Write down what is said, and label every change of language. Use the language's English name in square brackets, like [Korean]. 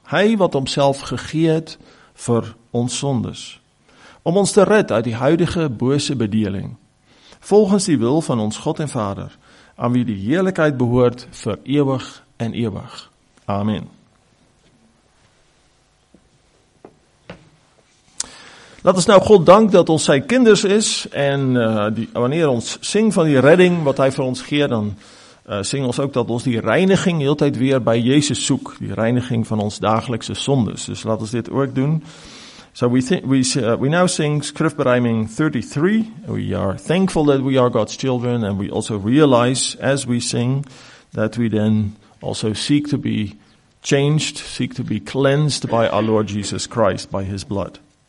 [Afrikaans] Hy wat homself gegee het vir ons sondes. Om ons te red uit die huidige bose bedeling. Volgens die wil van ons God en Vader, aan wie die heerlijkheid behoort vir eeuwig en eeuwig. Amen. Laat ons nou God dank dat ons sy kinders is en wanneer ons sing van die redding wat hy vir ons gee, dan sing ons ook dat ons die reiniging heel tyd weer by Jesus soek, die reiniging van ons dagelikse sondes. Dus laat ons dit ook doen. [English] So we now sing Skrifberuiming 33. We are thankful that we are God's children and we also realize as we sing that we then also seek to be changed, seek to be cleansed by our Lord Jesus Christ, by his blood.